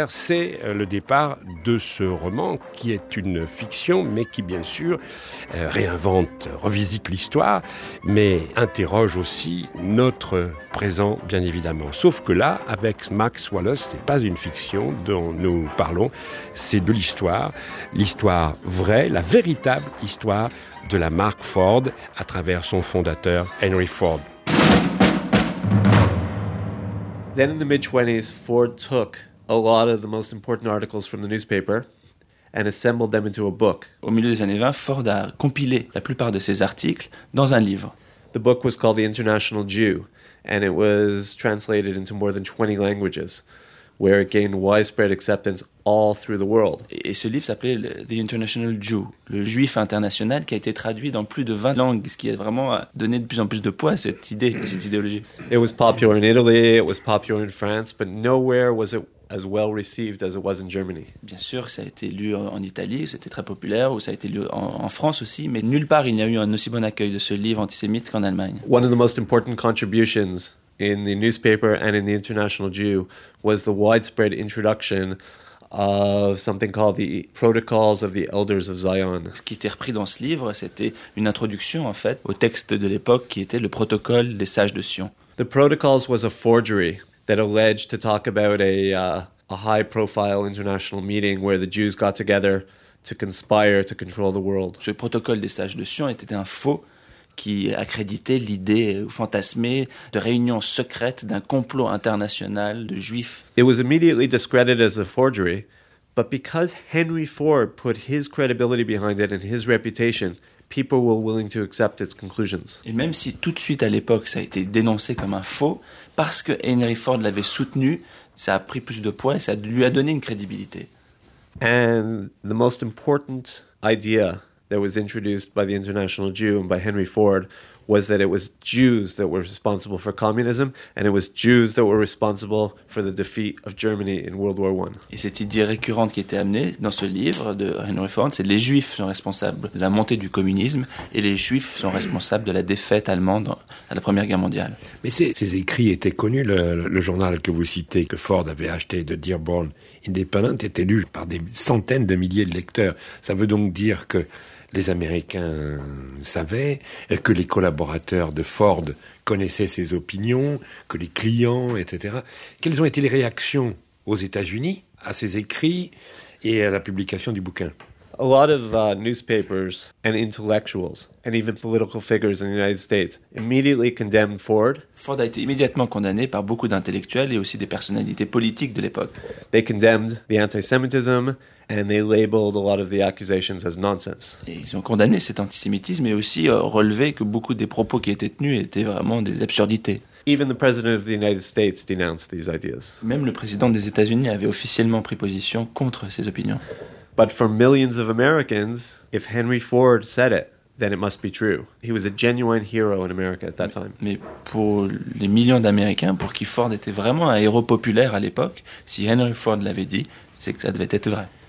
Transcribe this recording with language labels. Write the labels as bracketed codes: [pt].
[fr] C'est le départ de ce roman qui est une fiction, mais qui bien sûr réinvente, revisite l'histoire, mais interroge aussi notre présent, bien évidemment. Sauf que là, avec Max Wallace, c'est pas une fiction dont nous parlons, c'est de l'histoire vraie, la véritable histoire de la marque Ford à travers son fondateur Henry Ford. [en] Then in the mid-20s, Ford took a lot of the most important articles from the newspaper and assembled them into a book. [fr] Au milieu des années 20, Ford a compilé la plupart de ses articles dans un livre. [en] The book was called The International Jew and it was translated into more than 20 languages where it gained widespread acceptance all through the world. [fr] Et ce livre s'appelait The International Jew, le juif international, qui a été traduit dans plus de 20 langues, ce qui a vraiment donné de plus en plus de poids à cette idée, à cette idéologie. [en] It was popular in Italy, it was popular in France, but nowhere was it as well received as it was in Germany. [fr] Bien sûr, ça a été lu en Italie, c'était très populaire, ou ça a été lu en France aussi, mais nulle part il n'y a eu un aussi bon accueil de ce livre antisémite qu'en Allemagne. [en] One of the most important contributions in the newspaper and in the International Jew was the widespread introduction of something called the Protocols of the Elders of Zion. [fr] Ce qui était repris dans ce livre, c'était une introduction en fait au texte de l'époque qui était le protocole des sages de Sion. [en] The Protocols was a forgery that alleged to talk about a high-profile international meeting where the Jews got together to conspire to control the world. [fr] Ce protocole des sages de Sion était un faux qui accréditait l'idée fantasmée de réunion secrète d'un complot international de juifs. [en] It was immediately discredited as a forgery, but because Henry Ford put his credibility behind it and his reputation, people were willing to accept its conclusions. [fr] Et même si tout de suite à l'époque ça a été dénoncé comme un faux, parce que Henry Ford l'avait soutenu, ça a pris plus de poids et ça lui a donné une crédibilité. [en] And the most important idea that was introduced by the International Jew and by Henry Ford was that it was Jews that were responsible for communism and it was Jews that were responsible for the defeat of Germany in World War I. [fr] Et cette idée récurrente qui était amenée dans ce livre de Henry Ford, c'est les Juifs sont responsables de la montée du communisme et les Juifs sont responsables de la défaite allemande à la Première Guerre mondiale. Mais ces écrits étaient connus, le journal que vous citez, que Ford avait acheté de Dearborn Independent, était lu par des centaines de milliers de lecteurs. Ça veut donc dire que les Américains savaient que les collaborateurs de Ford connaissaient ses opinions, que les clients, etc. Quelles ont été les réactions aux États-Unis à ses écrits et à la publication du bouquin? [en] A lot of newspapers and intellectuals and even political figures in the United States immediately condemned Ford. [fr] Ford a été immédiatement condamné par beaucoup d'intellectuels et aussi des personnalités politiques de l'époque. [en] They condemned the anti-Semitism and they labeled a lot of the accusations as nonsense. [fr] Et ils ont condamné cet antisémitisme et aussi relevé que beaucoup des propos qui étaient tenus étaient vraiment des absurdités. [en] Even the president of the United States denounced these ideas. [fr] Même le président des États-Unis avait officiellement pris position contre ces opinions. [en] But for millions of Americans, if Henry Ford said it, then it must be true. He was a genuine hero in America at that time. [fr] Mais pour les millions d'Américains, pour qui Ford était vraiment un héros populaire à l'époque, si Henry Ford l'avait dit, c'est que ça devait être vrai.